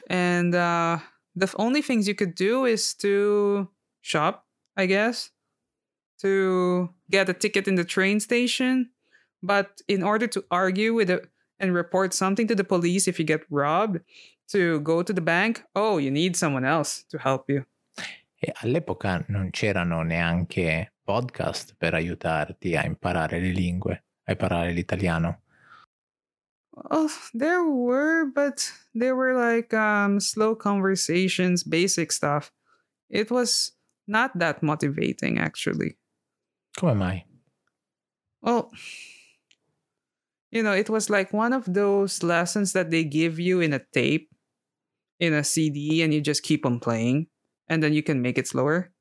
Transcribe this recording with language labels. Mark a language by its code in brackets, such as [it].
[en] And the only things you could do is to shop, I guess, to get a ticket in the train station. But in order to argue and report something to the police if you get robbed, to go to the bank, you need someone else to help you. [it] E all'epoca non c'erano neanche podcast per aiutarti a imparare le lingue, a imparare l'italiano. [en] Oh, there were, but they were slow conversations, basic stuff. It was not that motivating, actually. [it] Come mai? [en] Well, it was one of those lessons that they give you in a tape, in a CD, and you just keep on playing, and then you can make it slower.